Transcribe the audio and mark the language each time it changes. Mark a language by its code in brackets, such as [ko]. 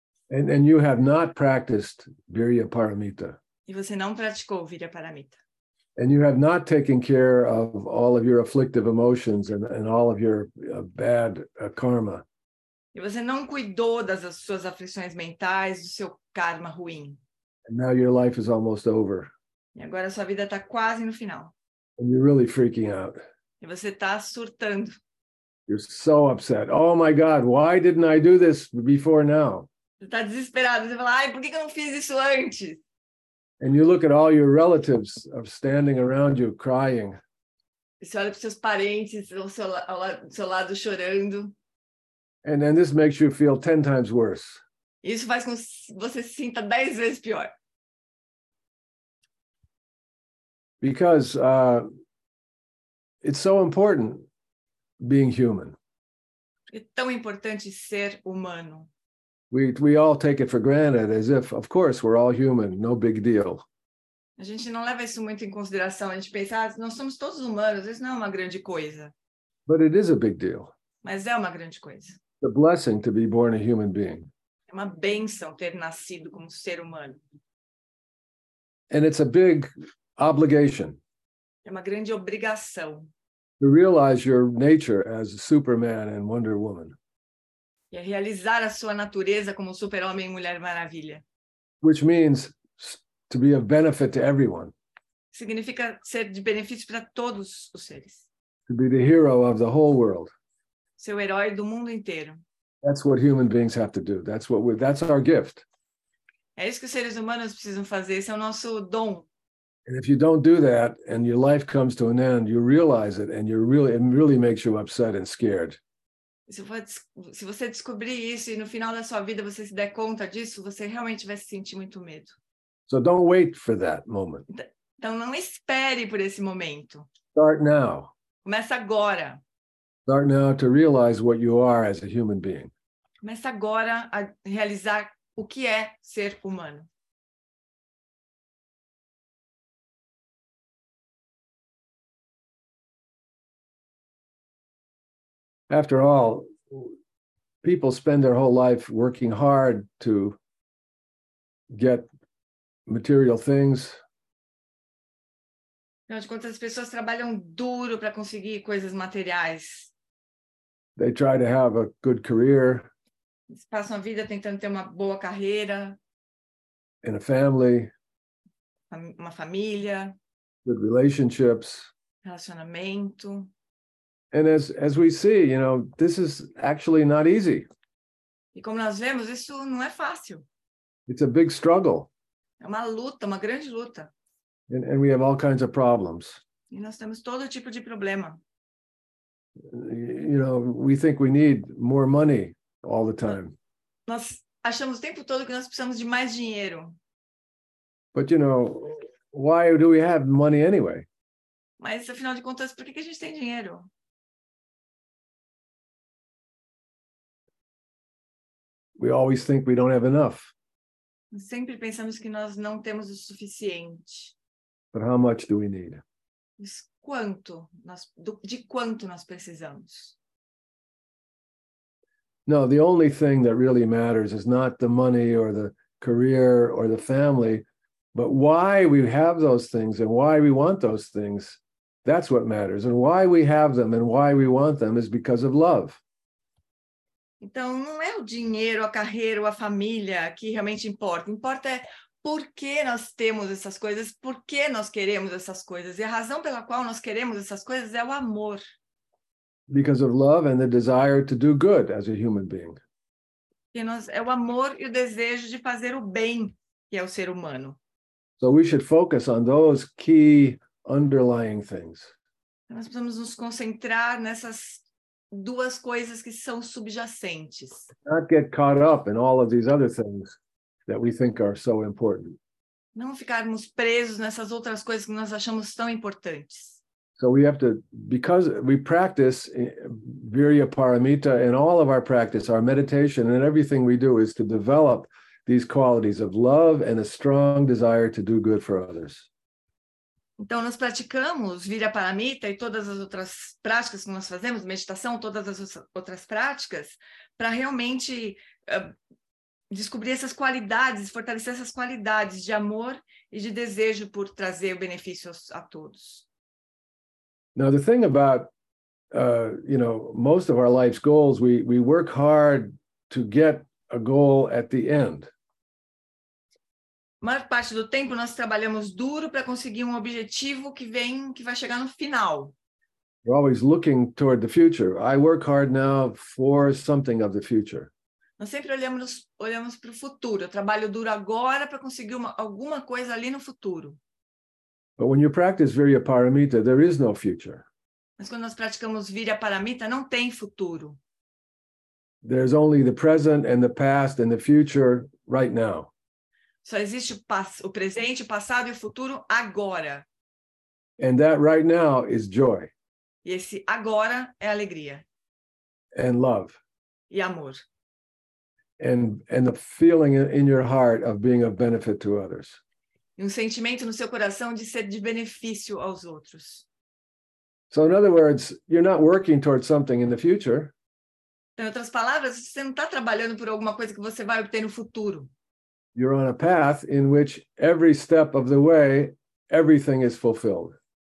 [en] And you have not practiced Virya Paramita. [pt] E você não praticou Virya Paramita. [en] And you have not taken care of all of your afflictive emotions and all of your bad karma. [pt] E você não cuidou das suas aflições mentais, do seu karma ruim. [en] And now your life is almost over. [pt] E agora sua vida está quase no final. [en] And you're really freaking out. [pt] E você está surtando. [en] You're so upset. Oh my God, why didn't I do this before now? [pt] Você está desesperado. Você fala, ai, por que eu não fiz isso antes? [en] And you look at all your relatives standing around you crying. [pt] E você olha para seus parentes ao seu lado chorando. [en] And this makes you feel 10 times worse. [pt] Isso faz com que você se sinta 10 vezes pior. [en] Because it's so important being human. [pt] É tão importante ser humano. [en] We all take it for granted as if, of course, we're all human, no big deal. [pt] A gente não leva isso muito em consideração. A gente pensa, ah, nós somos todos humanos, isso não é uma grande coisa. [en] But it is a big deal. [pt] Mas é uma grande coisa. [en] The blessing to be born a human being. [pt] Uma bênção ter nascido como ser humano. [en] And it's a big obligation. [pt] É uma grande obrigação. [en] To realize your nature as Superman and Wonder Woman. [pt] E realizar a sua natureza como Super-Homem e Mulher Maravilha. [en] Which means to be of benefit to everyone. [pt] Significa ser de benefício para todos os seres. [en] To be the hero of the whole world. [pt] Ser o herói do mundo inteiro. [en] That's what human beings have to do. That's our gift. [pt] É isso que os seres humanos precisam fazer. Esse é o nosso dom. [en] And if you don't do that, and your life comes to an end, you realize it, and it really makes you upset and scared. [pt] se você descobrir isso e no final da sua vida você se der conta disso, você realmente vai se sentir muito medo. [en] So don't wait for that moment. [pt] Então não espere por esse momento. [en] Start now. [pt] Começa agora. [en] Start now to realize what you are as a human being. [pt] Começa agora a realizar o que é ser humano. [en] After all, people spend their whole life working hard to get material things. [pt] Afinal de contas, as pessoas trabalham duro para conseguir coisas materiais. [en] They try to have a good career. [pt] Eles passam a vida tentando ter uma boa carreira. [en] In a family. [pt] Uma família. [en] Good relationships. [pt] Relacionamento. [en] And as we see, you know, this is actually not easy. [pt] E como nós vemos, isso não é fácil. [en] It's a big struggle. [pt] É uma luta, uma grande luta. [en] And we have all kinds of problems. [pt] E nós temos todo tipo de problema. [en] You know, we think we need more money all the time. [pt] Nós achamos o tempo todo que nós precisamos de mais dinheiro. [en] But you know, why do we have money anyway? [pt] Mas afinal de contas, por que a gente tem dinheiro? [en] We always think we don't have enough. [pt] Sempre pensamos que nós não temos o suficiente. [en] But how much do we need? [pt] Mas quanto nós, de quanto nós precisamos? [en] No, the only thing that really matters is not the money or the career or the family, but why we have those things and why we want those things, that's what matters. And why we have them and why we want them is because of love. [pt] Então, não é o dinheiro, a carreira ou a família que realmente importa. Importa é por que nós temos essas coisas, por que nós queremos essas coisas. E a razão pela qual nós queremos essas coisas é o amor. [en] Because of love and the desire to do good as a human being. [pt] É o amor e o desejo de fazer o bem que é o ser humano. [en] So we should focus on those key underlying things. [pt] Nós precisamos nos concentrar nessas duas coisas que são subjacentes. [en] Not get caught up in all of these other things that we think are so important. [pt] Não ficarmos presos nessas outras coisas que nós achamos tão importantes. [en] So we have to, because we practice Viryaparamita in all of our practice, our meditation and everything we do is to develop these qualities of love and a strong desire to do good for others. [pt] Então, nós praticamos Viryaparamita e todas as outras práticas que nós fazemos, meditação, todas as outras práticas, para realmente descobrir essas qualidades, fortalecer essas qualidades de amor e de desejo por trazer o benefício a todos. [en] Now, the thing about, you know, most of our life's goals, we work hard to get a goal at the end. [pt] A maior parte do tempo nós trabalhamos duro para conseguir um objetivo que vem, que vai chegar no final. [en] We're always looking toward the future. I work hard now for something of the future. [pt] Nós sempre olhamos para o futuro. Eu trabalho duro agora para conseguir alguma coisa ali no futuro. [en] But when you practice Viryaparamita, there is no future. [pt] Mas quando nós praticamos Viryaparamita, não tem futuro. [en] There's only the present and the past and the future right now. [pt] Só existe o presente, o passado e o futuro agora. [en] And that right now is joy. [pt] E esse agora é alegria. [en] And love. [pt] E amor. [en] And the feeling in your heart of being of benefit to others. [pt] E um sentimento no seu coração de ser de benefício aos outros. [en] So in other words, you're not working towards something in the future. [pt] Em outras palavras, você não está trabalhando por alguma coisa que você vai obter no futuro. [en] You're on a path in which every step of the way, everything is fulfilled.